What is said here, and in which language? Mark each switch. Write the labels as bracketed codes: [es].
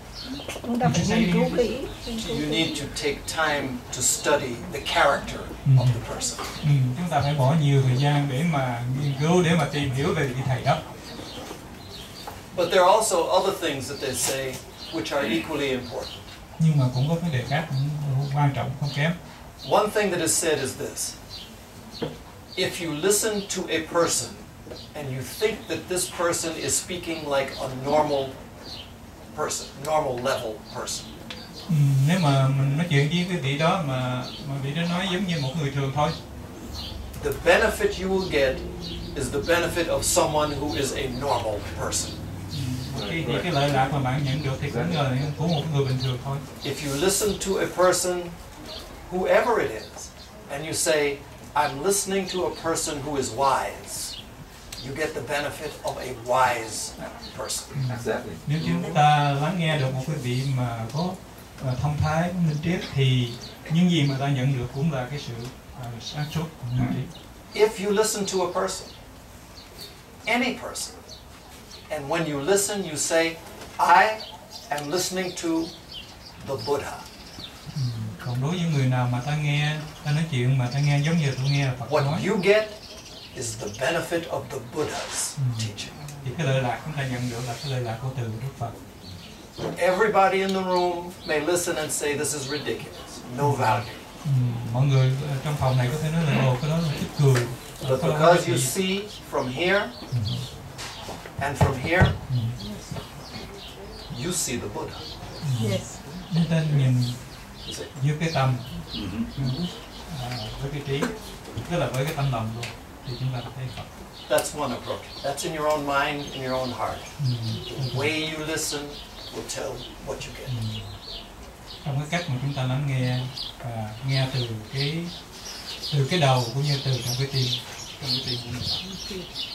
[en] You need to take time to study the character of the person. [vi] Chúng ta phải bỏ nhiều thời gian để mà nghiên cứu, để mà tìm hiểu về vị thầy đó. [en] But there are also other things that they say which are equally important. [vi] Nhưng mà cũng có vấn đề khác cũng quan trọng không kém. [en] One thing that is said is this: if you listen to a person and you think that this person is speaking like a normal person, normal level person. [vi] Nếu mà mình nói chuyện với cái vị đó mà vị đó nói giống như một người thường thôi. [en] The benefit you will get is the benefit of someone who is a normal person. [vi] Cái lợi lạc mà bạn nhận được thì cũng là của một người bình thường thôi. [en] If you listen to a person, whoever it is, and you say, I'm listening to a person who is wise, you get the benefit of a wise person. Exactly. [vi] Nếu chúng ta lắng nghe được một cái vị mà có thông thái, minh triết thì những gì mà ta nhận được cũng là cái sự sáng suốt. [en] If you listen to a person, any person, and when you listen, you say, I am listening to the Buddha. [vi] Còn đối với người nào mà ta nghe, ta nói chuyện mà ta nghe giống như tôi nghe là Phật [en] what [vi] nói. [en] What you get is the benefit of the Buddha's teaching. [vi] Thì cái lợi lạc chúng ta nhận được là cái lợi lạc của từ Đức Phật. [en] Everybody in the room may listen and say this is ridiculous, no value. [vi] Mọi người trong phòng này có thể nói là ồ, cái đó là chút cười. [en] But because you see from here, and from here, you see the Buddha. Yes. [vi] Nên ta nhìn như cái tâm, với cái trí, tức là với cái tâm lòng luôn, thì chúng ta có thể học. [en] That's one approach. That's in your own mind, in your own heart. The way you listen will tell what you get. [vi] Trong cái cách mà chúng ta lắng nghe, nghe từ cái đầu cũng như từ trong cái tim, trong cái tim của mình.